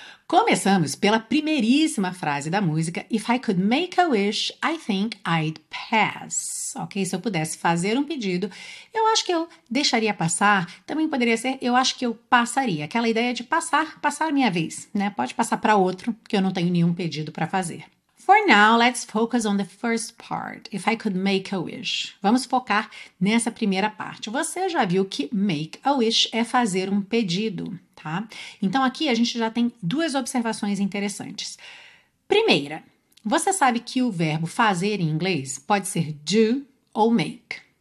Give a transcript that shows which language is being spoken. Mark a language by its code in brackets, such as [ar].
[pt] Começamos pela primeiríssima frase da música, [en] If I could make a wish, I think I'd pass. [pt] Ok? Se eu pudesse fazer um pedido, eu acho que eu deixaria passar. Também poderia ser, eu acho que eu passaria. Aquela ideia de passar minha vez, né? Pode passar para outro, que eu não tenho nenhum pedido para fazer. [en] For now, let's focus on the first part, if I could make a wish. [pt] Vamos focar nessa primeira parte. Você já viu que [en] make a wish [pt] é fazer um pedido, tá? Então, aqui a gente já tem duas observações interessantes. Primeira, você sabe que o verbo fazer em inglês pode ser do ou make.